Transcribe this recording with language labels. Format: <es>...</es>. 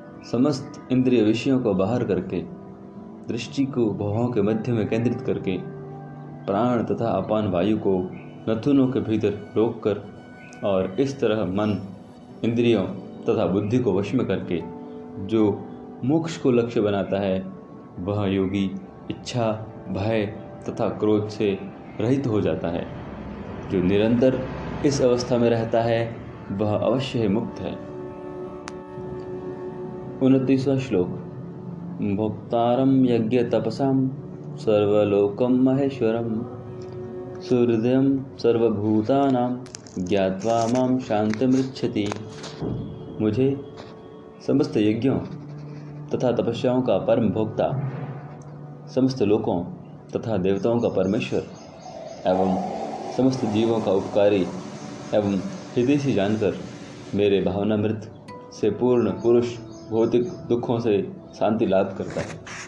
<hi>समस्त इंद्रिय विषयों को बाहर करके, दृष्टि को भावों के मध्य में केंद्रित करके, प्राण तथा अपान वायु को नथुनों के भीतर रोक कर और इस तरह मन इंद्रियों तथा बुद्धि को वश में करके जो मोक्ष को लक्ष्य बनाता है, वह योगी इच्छा भय तथा क्रोध से रहित हो जाता है। जो निरंतर इस अवस्था में रहता है, वह अवश्य ही मुक्त है। 29वां श्लोक।</hi> <sa>भोक्तारं यज्ञ तपसां सर्वलोकं महेश्वरं सुहृदयं सर्वभूतानां ज्ञात्वा मां शान्तिमृच्छति।</sa> <hi>मुझे समस्त यज्ञों तथा तपस्याओं का परम भोक्ता, समस्त लोकों तथा देवताओं का परमेश्वर एवं समस्त जीवों का उपकारी एवं हितैषी जानकर मेरे भावनामृत से पूर्ण पुरुष भौतिक दुखों से शांति लाभ करता है।</hi>